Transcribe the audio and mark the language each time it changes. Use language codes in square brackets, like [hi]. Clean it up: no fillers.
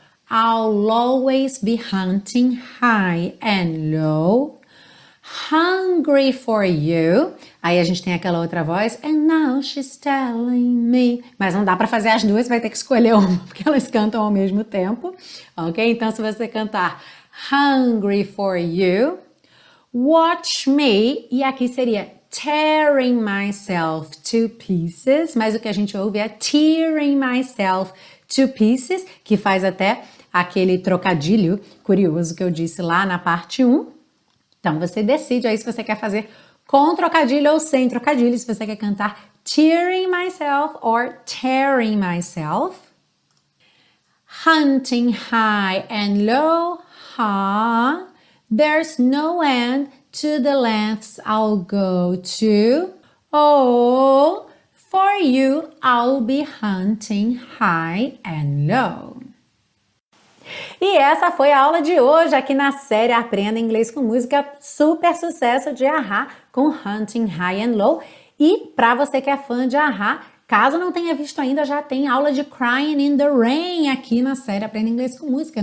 [en] I'll always be hunting high and low. Hungry for you. [pt] Aí a gente tem aquela outra voz. [en] And now she's telling me. [pt] Mas não dá para fazer as duas, vai ter que escolher uma, porque elas cantam ao mesmo tempo. Ok? Então, se você cantar [en] hungry for you, watch me, [pt] e aqui seria [en] tearing myself to pieces, [pt] mas o que a gente ouve é tearing myself to pieces, que faz até aquele trocadilho curioso que eu disse lá na parte 1. Então, você decide aí se você quer fazer com trocadilho ou sem trocadilho, se você quer cantar [en] tearing myself or tearing myself. Hunting high and low, ha, there's no end to the lengths I'll go to. Oh, for you, I'll be hunting high and low. [pt] E essa foi a aula de hoje aqui na série Aprenda Inglês com Música, super sucesso de A-ha com Hunting High and Low. E para você que é fã de A-ha, caso não tenha visto ainda, já tem aula de Crying in the Rain aqui na série Aprenda Inglês com Música.